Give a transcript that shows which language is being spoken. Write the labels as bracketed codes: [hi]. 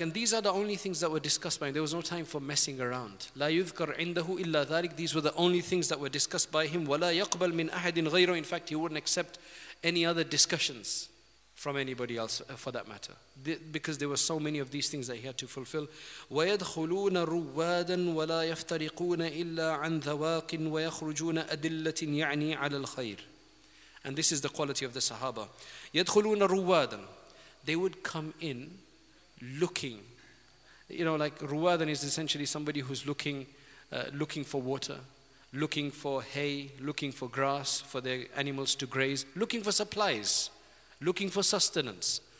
[en] And these are the only things that were discussed by him. There was no time for messing around. [ar] لا يذكر عنده إلا ذلك. [en] These were the only things that were discussed by him. [ar] ولا يقبل من أحد غيره. [en] In fact, he wouldn't accept any other discussions from anybody else for that matter. Because there were so many of these things that he had to fulfill. [ar] ويدخلون روادا ولا يفترقون إلا عن ذواق ويخرجون أدلة يعني على الخير. [en] And this is the quality of the Sahaba. [ar] يدخلون روادا. [en] They would come in looking, you know, like ruwadan is essentially somebody who's looking for water, looking for hay, looking for grass for their animals to graze, looking for supplies, looking for sustenance.